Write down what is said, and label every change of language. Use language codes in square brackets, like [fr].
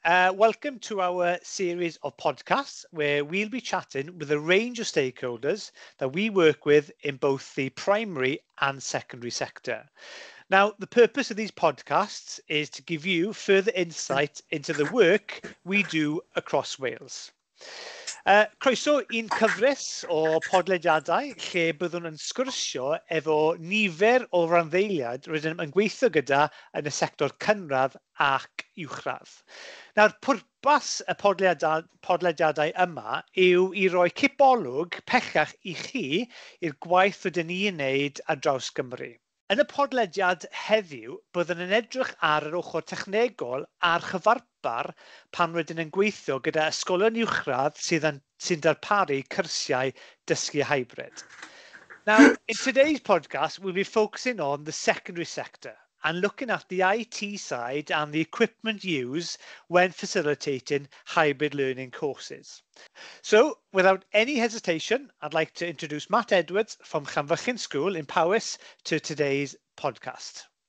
[en] Welcome to our series of podcasts where we'll be chatting with a range of stakeholders that we work with in both the primary and secondary sector. Now, the purpose of these podcasts is to give you further insight into the work we do across Wales. [cy] Croeso un cyfres o podlediadau lle byddwn yn sgwrsio efo nifer o randdeiliad rydym yn gweithio gyda yn y sector cynradd ac uwchradd. Nawr, pwrpas y podlediadau yma yw I roi cipolwg pellach I chi i'r gwaith rydym ni'n wneud ar draws Gymru. Yn y podlediad heddiw, byddwn yn edrych ar yr ochr technegol a'r chyfarpar pan rydym yn gweithio gyda ysgolion uwchradd sy'n darparu cyrsiau dysgu hybrid. [en] Now, in today's podcast, we'll be focusing on the secondary sector and looking at the IT side and the equipment used when facilitating hybrid learning courses. So, without any hesitation, I'd like to introduce Matt Edwards from Llanfychyn School in Powys to today's podcast.